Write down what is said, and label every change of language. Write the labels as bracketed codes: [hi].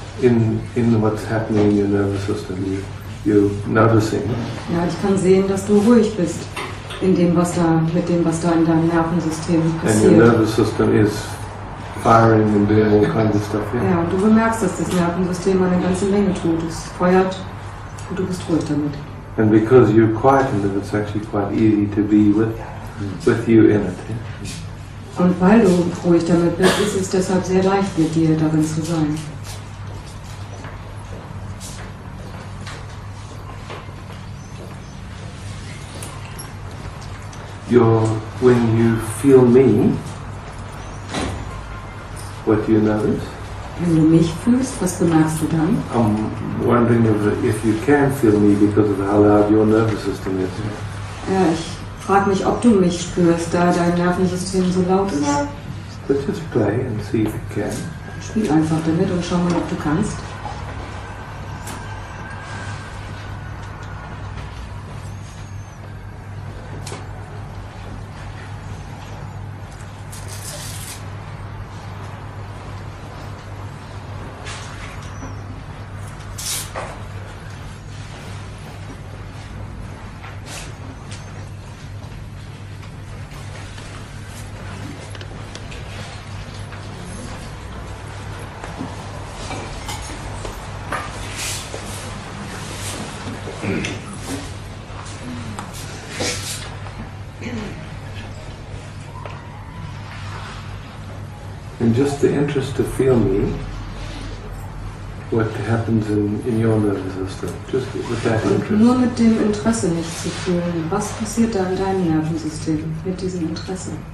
[en] In what's happening in your nervous system, you're noticing. [de] Ja, ich kann sehen, dass du ruhig bist in dem, was da, mit dem, was da in deinem Nervensystem passiert. [en] And your nervous system is firing and doing all kinds of stuff. Yeah. [de] Ja, und du bemerkst, dass das Nervensystem eine ganze Menge tut. Es feuert und du bist ruhig damit. [en] And because you're quiet in it, it's actually quite easy to be with you in it. Yeah? [de] Und weil du ruhig damit bist, ist es deshalb sehr leicht, mit dir darin zu sein. [en] When you feel me, what do you notice? [de] Wenn du mich fühlst, was bemerkst du dann? [en] I'm wondering if you can feel me because of how loud your nervous system is. [de] Ja, ich frage mich, ob du mich spürst, da dein Nervensystem so laut ist. [en] Let's just play and see if you can. [de] Spiel einfach damit und schau mal, ob du kannst. [en] Just the interest to feel me, what happens in your nervous system, just with that interest. [de] Nur mit dem Interesse mich zu fühlen, was passiert da in deinem Nervensystem mit diesem Interesse?